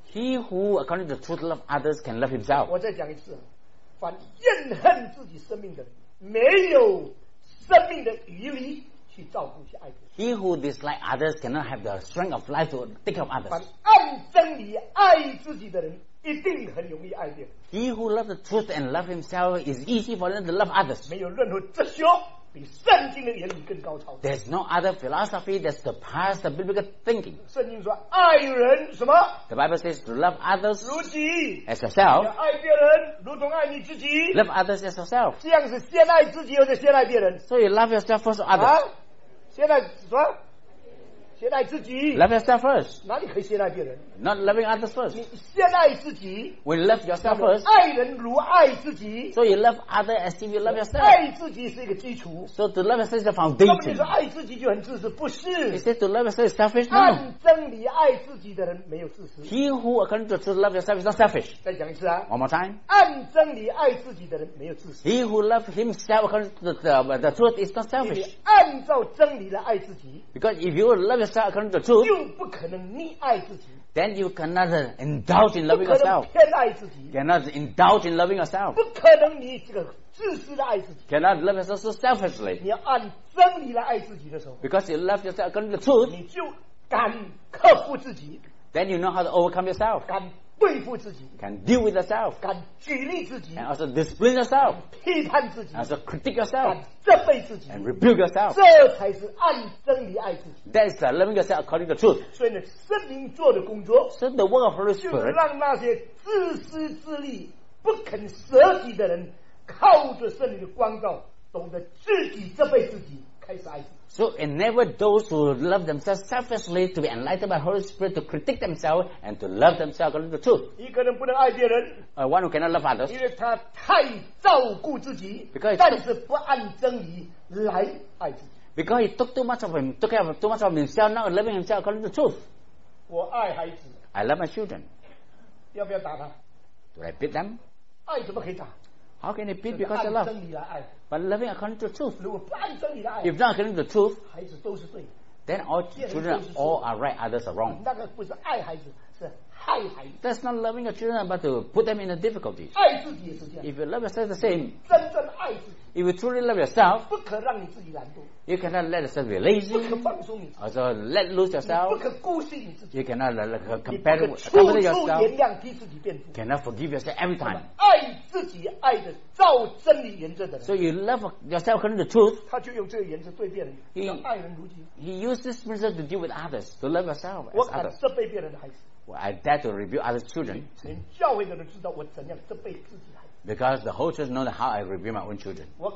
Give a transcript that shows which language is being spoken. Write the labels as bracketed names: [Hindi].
[English] He who according to the truth love others can love himself. [Chinese] 我再讲一次，反厌恨自己生命的人没有生命的余力去照顾去爱别人。 [English] He who dislikes others cannot have the strength of life to take care of others. [Chinese] 反按真理爱自己的人一定很容易爱别人。 [English] He who loves the truth and loves himself is easy for them to love others. [Chinese] 没有任何哲学比圣经的原理更高超。 [English] There's no other philosophy that's the past the biblical thinking. [Chinese] 圣经说爱人什么？ [English] The Bible says to love others [Chinese] 如己 [English] as yourself. [Chinese] 爱别人如同爱你自己。 [English] Love others as yourself. [Chinese] 这样是先爱自己，又是先爱别人。 [English] So you love yourself first or others?、 [Chinese] 啊、先爱什么？先爱自己。 [English] Love yourself first. [Chinese] 哪里可以先爱别人？ [English] Not loving others first. [Chinese] 你先爱自己。 [English] We love yourself first. [Chinese] 爱人如爱自己。 [English] So you love others as if you love yourself. [Chinese] 爱自己是一个基础。 [English] So to love yourself is a foundation. [Chinese] 那么你说爱自己就很自私？不是。 [English] Is it to love yourself selfish? No. [Chinese] 按真理爱自己的人没有自私。 [English] He who according to truth love yourself is not selfish. [Chinese] 再讲一次啊。 [English] One more time. [Chinese] 按真理爱自己的人没有自私。 [English] He who love himself according to the truth is not selfish. [Chinese] 按照真理来爱自己。 [English] Because if you love yourself according to truth, [Chinese] 就不可能溺爱自己。 [English] Then you cannot indulge in loving yourself. [Chinese] 不可能偏爱自己。 [English] Cannot indulge in loving yourself. [Chinese] 不可能你这个自私的爱自己。 [English] Cannot love yourself so selfishly. [Chinese] 你要按真理来爱自己的时候。 [English] Because you love yourself according to truth, [Chinese] 你就敢克服自己。 [English] Then you know how to overcome yourself. [Chinese] 敢对付自己。 [English] Can deal with yourself. [Chinese] 敢举例自己。 [English] And also discipline yourself. [Chinese] 批判自己。 [English] And also critique yourself. [Chinese] 敢责备自己。 [English] And rebuke yourself. [Chinese] 这才是按真理爱自己。 [English] That is loving yourself according to truth. [Chinese] 所以呢，圣灵做的工作。 [English] So the work of Holy Spirit. [Chinese] 就是让那些自私自利、不肯舍己的人，靠着圣灵的光照，懂得自己责备自己，开始爱自己。 [English] So enable those who love themselves selfishly to be enlightened by Holy Spirit to critique themselves and to love themselves according to truth. [Chinese] 你可能不能爱别人。 [English] One who cannot love others. [Chinese] 因为他太照顾自己。 [English] Because [Chinese] 但是不按真理来爱自己。 [English] Because he took too much of him, took care of too much of himself, not loving himself according to truth. [Chinese] 我爱孩子。 [English] I love my children. [Chinese] 要不要打他？ [English] Do I beat them? [Chinese] 爱怎么可以打？ [English] How can it be because of love? But loving according to truth. [Chinese] 如果不按真理来爱, [English] if not according to truth, [Chinese] 孩子都是对, [English] then all children all are right, others are wrong. [Chinese] 那个不是爱孩子, 是害孩子。 [English] That's not loving your children but to put them in a difficulty. [Chinese] 爱自己也是这样。 [English] If you love yourself the same, [Chinese] 真正爱自己, [English] if you truly love yourself, [Chinese] 不可让你自己懒惰, [English] you cannot let yourself be lazy, [Chinese] 不可放松你自己, [English] also let loose yourself, [Chinese] 你不可姑息你自己, [English] you cannot accommodate yourself, [Chinese] 原谅逼自己变故, [English] cannot forgive yourself every time. [Chinese] 爱自己爱的照真理原则的人, [English] so you love yourself according to the truth, [Chinese] 他就用这个原则对别人, 要爱人如己, [English] he used this principle to deal with others, to love yourself as others. [Chinese] 我敢责备别人的孩子, [English] well, I dare to rebuke other children. [Chinese] 连教会的人知道我怎样责备自己孩子。 [English] Because the whole church knows how I review my own children.